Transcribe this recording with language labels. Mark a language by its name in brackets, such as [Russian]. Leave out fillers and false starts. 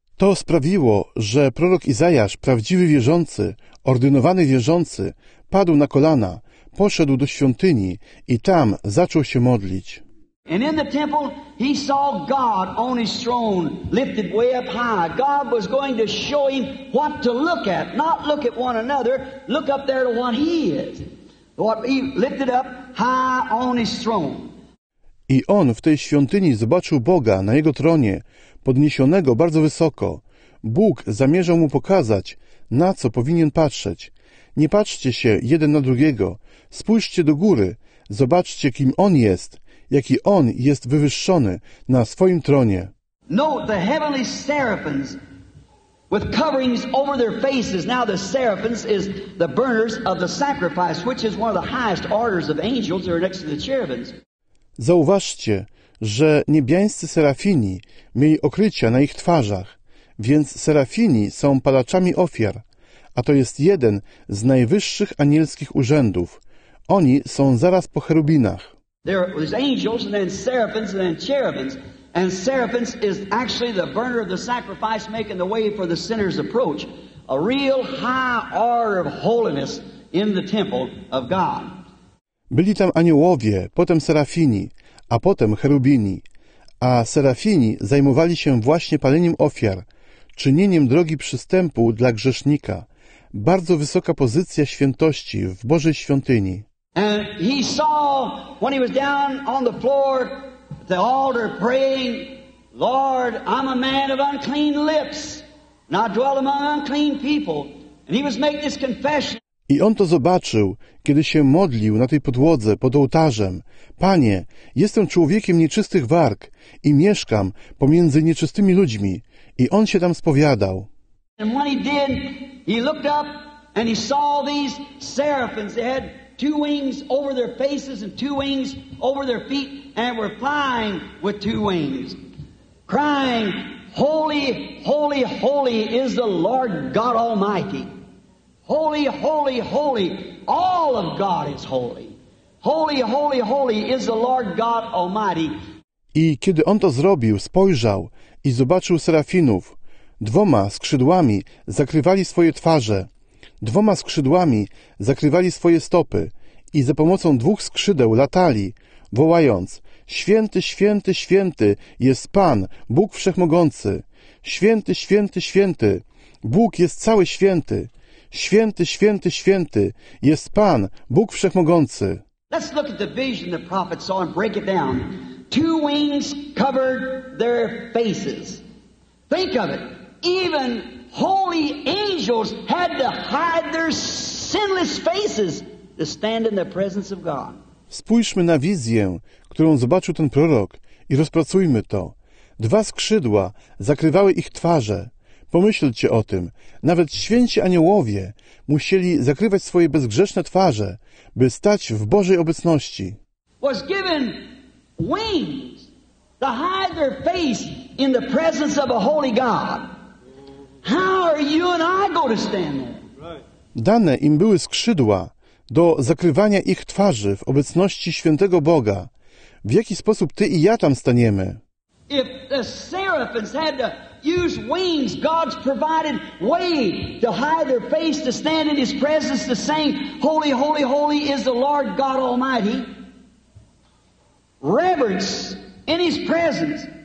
[Polish] To sprawiło, że prorok Izajasz, prawdziwy wierzący, ordynowany wierzący, padł na kolana, poszedł do świątyni i tam zaczął się modlić. [English] And in the temple he saw God on his throne, lifted way up high. God was going to show him what to look at, not look at one another, look up there to what he is. What he lifted up high on his throne. [Polish] I on w tej świątyni zobaczył Boga na jego tronie, podniesionego bardzo wysoko. Bóg zamierzał mu pokazać, na co powinien patrzeć. Nie patrzcie się jeden na drugiego. Spójrzcie do góry. Zobaczcie, kim on jest, jaki on jest wywyższony na swoim tronie. [English] Note the heavenly seraphims with coverings over their faces. Now the seraphims is the burners of the sacrifice, which is one of the highest orders of angels. They're next to the cherubims. [Polish] Zauważcie, że niebiańscy serafini mieli okrycia na ich twarzach, więc serafini są palaczami ofiar, a to jest jeden z najwyższych anielskich urzędów. Oni są zaraz po cherubinach. [English] There was angels and then seraphims and then cherubims, and seraphims is actually the burner of the sacrifice making the way for the sinner's approach, a real high order of holiness in the temple of God. [Polish] Byli tam aniołowie, potem serafini, a potem cherubini. A serafini zajmowali się właśnie paleniem ofiar, czynieniem drogi przystępu dla grzesznika. Bardzo wysoka pozycja świętości w Bożej świątyni. [English] And he saw when he was down on the floor at the altar praying, Lord, I'm a man of unclean lips, and I dwell among unclean people. And he was making this confession. [Polish] I on to zobaczył, kiedy się modlił na tej podłodze pod ołtarzem. Panie, jestem człowiekiem nieczystych warg i mieszkam pomiędzy nieczystymi ludźmi. I on się tam spowiadał. [English] And when he did, he looked up and he saw these seraphims. They had two wings over their faces and two wings over their feet and were flying with two wings, crying, Holy, holy, holy is the Lord God Almighty. Holy, holy, holy, all of God is holy. Holy, holy, holy is the Lord God Almighty. [Polish] I kiedy on to zrobił, spojrzał i zobaczył serafinów. Dwoma skrzydłami zakrywali swoje twarze. Dwoma skrzydłami zakrywali swoje stopy. I za pomocą dwóch skrzydeł latali, wołając, Święty, święty, święty jest Pan, Bóg Wszechmogący. Święty, święty, święty, Bóg jest cały święty. Święty, święty, święty jest Pan, Bóg Wszechmogący. [English] Let's look at the vision the prophet saw and break it down. Two wings covered their faces. Think of it. Even holy angels had to hide their sinless faces to stand in the presence of God. [Polish] Spójrzmy na wizję, którą zobaczył ten prorok i rozpracujmy to. Dwa skrzydła zakrywały ich twarze. Pomyślcie o tym. Nawet święci aniołowie musieli zakrywać swoje bezgrzeszne twarze, by stać w Bożej obecności. [English] Was given wings to hide their face in the presence of a holy God. How are you and I going to stand there? [Polish] Dane im były skrzydła do zakrywania ich twarzy w obecności świętego Boga. W jaki sposób ty i ja tam staniemy? [English] If the seraphims had to use wings, God's provided way to hide their face, to stand in his presence, to sing, holy, holy, holy is the Lord God Almighty. Reverence in his presence.